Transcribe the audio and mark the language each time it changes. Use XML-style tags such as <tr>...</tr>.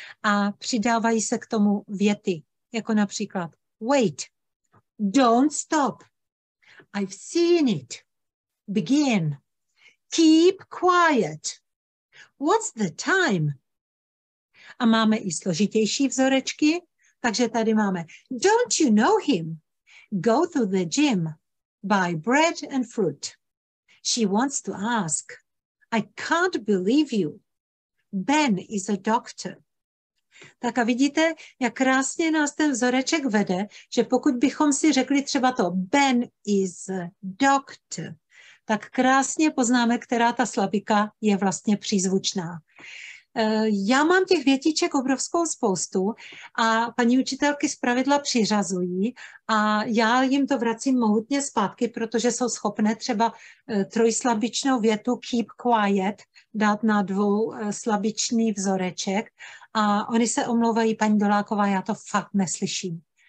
<cs>A přidávají se k tomu věty, jako například</cs> <en>wait, don't stop. I've seen it. Begin. Keep quiet. What's the time?</en> <cs>A máme i složitější vzorečky, takže tady máme</cs> <en>don't you know him? Go to the gym. Buy bread and fruit. She wants to ask. I can't believe you. Ben is a doctor.</en> <cs>Tak a vidíte, jak krásně nás ten vzoreček vede, že pokud bychom si řekli třeba to</cs> <en>Ben is a doctor,</en> <cs>tak krásně poznáme, která ta slabika je vlastně přízvučná. Já mám těch větiček obrovskou spoustu a paní učitelky zpravidla přiřazují a já jim to vracím mohutně zpátky, protože jsou schopné třeba trojslabičnou větu</cs> <en>keep quiet</en> <cs>dát na dvou slabičný vzoreček a oni se omlouvají, paní Doláková, já to fakt neslyším.</cs>